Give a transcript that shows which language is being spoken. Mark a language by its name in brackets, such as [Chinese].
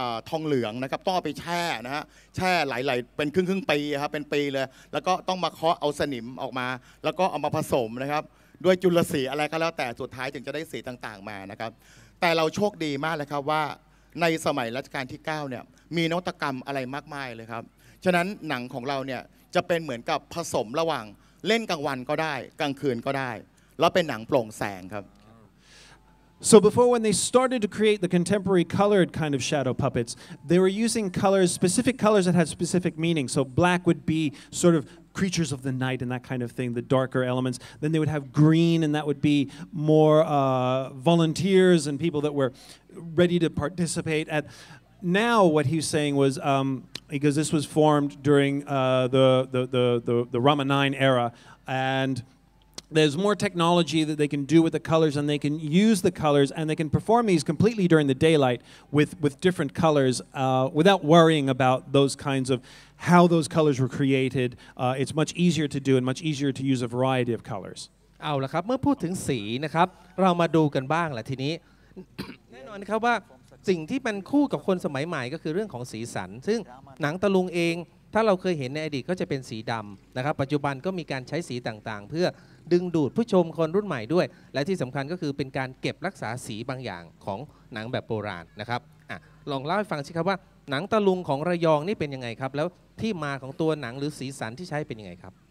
[Thai] ทองเหลืองนะครับต้องเอาไปแช่นะฮะแช่หลายเป็นครึ่งๆปีครับเป็นปีเลยแล้วก็ต้องมาเคาะเอาสนิมออกมาแล้วก็เอามาผสมนะครับด้วยจุลสีอะไรก็แล้วแต่สุดท้ายถึงจะได้สีต่างๆมานะครับแต่เราโชคดีมากเลยครับว่าในสมัยรัชกาลที่9เนี่ยมีนวัตกรรมอะไรมากมายเลยครับฉะนั้นหนังของเราเนี่ยจะเป็นเหมือนกับผสมระหว่างเล่นกลางวันก็ได้กลางคืนก็ได้แล้วเป็นหนังโปร่งแสงครับ [English] So before when they started to create the contemporary colored kind of shadow puppets they were using colors specific colors that had specific meaning so black would be sort of creatures of the night and that kind of thing the darker elements then they would have green and that would be more volunteers and people that were ready to participate at now what he's saying was because this was formed during the Rama 9 era and there's more technology that they can do with the colors and they can use the colors and they can perform these completely during the daylight with different colors without worrying about those kinds of how those colors were created it's much easier to do and much easier to use a variety of colors [Thai] เอาล่ะครับเมื่อพูดถึงสีนะครับเรามาดูกันบ้างล่ะทีนี้แน่นอนครับว่าสิ่งที่มันคู่กับคนสมัยใหม่ก็คือเรื่องของสีสันซึ่งหนังตะลุงเองถ้าเราเคยเห็นในอดีตก็จะเป็นสีดำนะครับปัจจุบันก็มีการใช้สีต่างๆเพื่อดึงดูดผู้ชมคนรุ่นใหม่ด้วยและที่สำคัญก็คือเป็นการเก็บรักษาสีบางอย่างของหนังแบบโบราณนะครับลองเล่าให้ฟังสิครับว่าหนังตะลุงของระยองนี่เป็นยังไงครับแล้วที่มาของตัวหนังหรือสีสันที่ใช้เป็นยังไงครับ